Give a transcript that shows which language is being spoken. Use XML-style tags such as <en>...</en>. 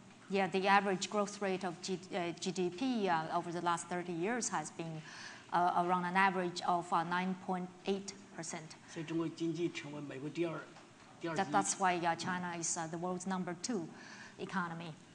<en>Yeah, the average growth rate of GDP over the last 30 years has been around an average of 9.8%.</en> <zh>所以中国经济成为美国第二。</zh> <en>That's why China is the world's number two economy.</en>